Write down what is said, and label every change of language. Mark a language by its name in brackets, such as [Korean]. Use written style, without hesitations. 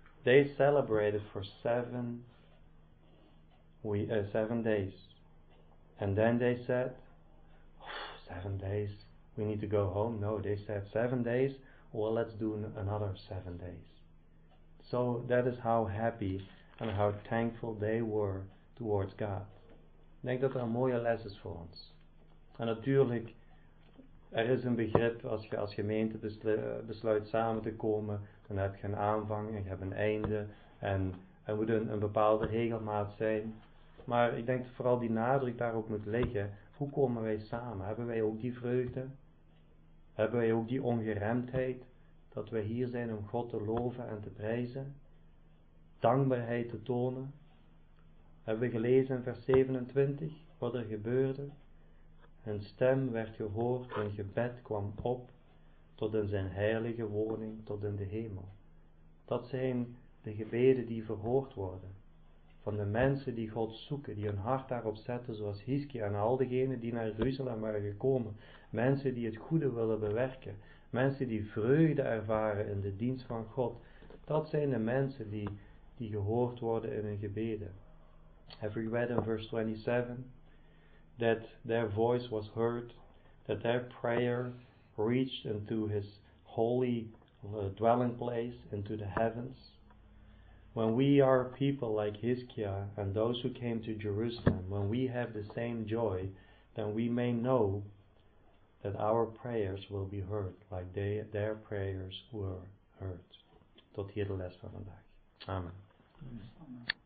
[English] They celebrated for 7 days. And then they said, oh, 7 days, we need to go home. No, they said 7 days, well, let's do another 7 days. So that is how happy and how thankful they were towards God. [Dutch] Ik denk dat er een mooie les is voor ons. En natuurlijk, er is een begrip, als je als gemeente besluit samen te komen, dan heb je een aanvang en je hebt een einde. En er moet een bepaalde regelmaat zijn. Maar ik denk dat vooral die nadruk daarop moet liggen. Hoe komen wij samen? Hebben wij ook die vreugde? Hebben wij ook die ongeremdheid dat wij hier zijn om God te loven en te prijzen? Dankbaarheid te tonen? Hebben we gelezen in vers 27 wat er gebeurde? Een stem werd gehoord, een gebed kwam op tot in zijn heilige woning, tot in de hemel. Dat zijn de gebeden die verhoord worden. Van de mensen die God zoeken, die hun hart daarop zetten, zoals Hiskia en al diegenen die naar Jeruzalem waren gekomen. Mensen die het goede willen bewerken. Mensen die vreugde ervaren in de dienst van God. Dat zijn de mensen die gehoord worden in hun gebeden. [English] Have we read in verse 27 that their voice was heard, that their prayer reached into his holy dwelling place, into the heavens? When we are people like Hiskia and those who came to Jerusalem, when we have the same joy, then we may know that our prayers will be heard like their prayers were heard. [Dutch] Tot hier de les van vandaag. [English] Amen. Amen.